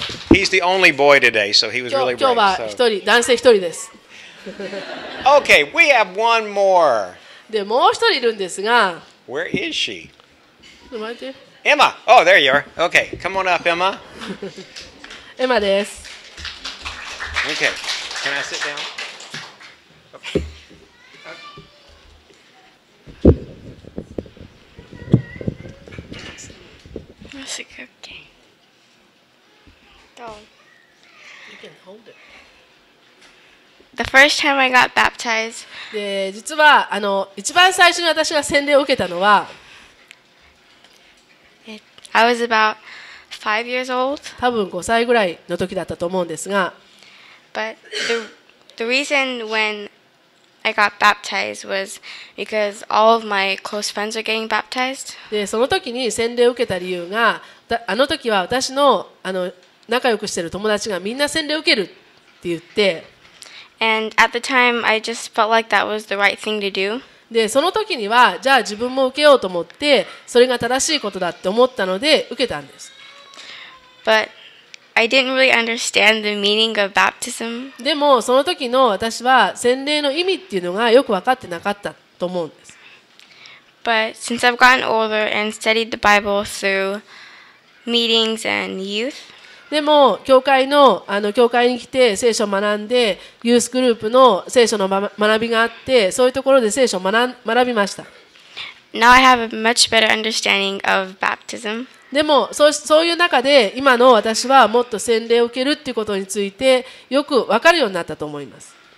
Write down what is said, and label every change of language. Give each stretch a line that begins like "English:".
English: He's the only boy today, so he was really brave.
Japanese: 今日は一人、男性一人です。
English: Okay, we have one more.
Japanese: で、もう一人いるんですが。
English: Where is she? Emma. Oh, there you are. Okay, come on up, Emma.
Japanese: Emma です。
English: Okay, can I sit down? That's a good game. The first time I got baptized.
Japanese: で、実はあの一番最初に私が洗礼を受けたのは、
English: I was about 5 years old.
Japanese: 多分5歳ぐらいの時だったと思うんですが、
English: But the reason when I got baptized was because all of my close friends were getting baptized.
Japanese: で、その時に洗礼を受けた理由が、あの時は私のあの仲良くしている友達がみんな洗礼を受けるって言って、
English: And at the time, I just felt like that was the right thing to do.
Japanese: で、その時にはじゃあ自分も受けようと思って、それが正しいことだって思ったので受けたんです。
English: But I didn't really understand the meaning of baptism.
Japanese: でもその時の私は洗礼の意味っていうのがよく分かってなかったと思うんです。
English: But since I've gotten older and studied the Bible through meetings and youth.
Japanese: でも教会の、あの教会に来て聖書を学んで、ユースグループの聖書の学びがあって、そういうところで聖書を 学びました。
English: Now I have a much better understanding of baptism.
Japanese: でもそういう中で今の私はもっと洗礼を受けるっていうことについてよく分かるようになったと思います。